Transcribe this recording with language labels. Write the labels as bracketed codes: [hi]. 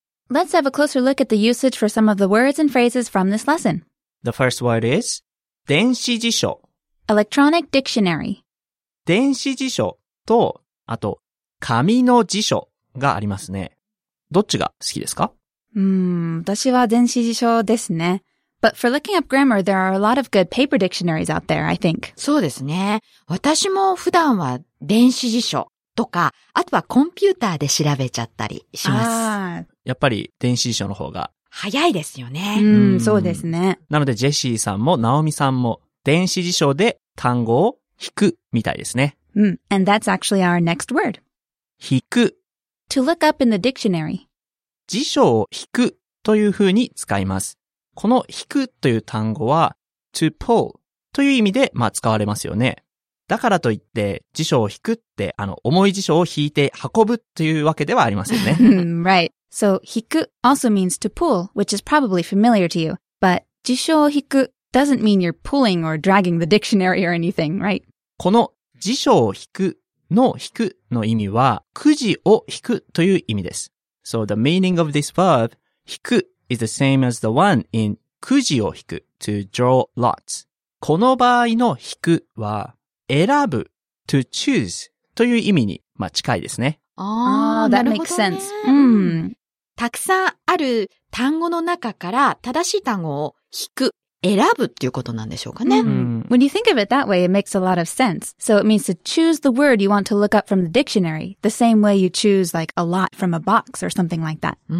[en] Let's have a closer look at the usage for some of the words and phrases from this lesson. The first word is 電子辞書 Electronic dictionary [ja] 電子辞書とあと紙の辞書がありますね。どっちが好きですか？私は電子辞書ですね。 [en] But for looking up grammar, there are a lot of good paper dictionaries out there, I think. [ja] そうですね。私も普段は電子辞書とか、あとはコンピューターで調べちゃったりします。やっぱり電子辞書の方が。早いですよね。そうですね。なのでジェシーさんもナオミさんも電子辞書で単語を引くみたいですね。 [en] And that's actually our next word. [ja] 引く。 [en] To look up in the dictionary. [ja] 辞書を引くというふうに使います。この引くという単語は [en] to pull [ja] という意味で、まあ、使われますよね。だからといって辞書を引くって重い辞書を引いて運ぶというわけではありませんね。 [en] Right. So 引く also means to pull, which is probably familiar to you. But 辞書を引く doesn't mean you're pulling or dragging the dictionary or anything, right? [ja] この辞書を引くの引くの意味はくじを引くという意味です。 [en] So the meaning of this verb 引くis the same as the one in くじを引く to draw lots. [ja] この場合の引くは選ぶ [en] to choose [ja] という意味に、まあ、近いですね。ああ、 [en] that makes sense. [ja] たくさんある単語の中から正しい単語を引く、選ぶっていうことなんでしょうかね。 [en] When you think of it that way, it makes a lot of sense. So it means to choose the word you want to look up from the dictionary, the same way you choose like a lot from a box or something like that.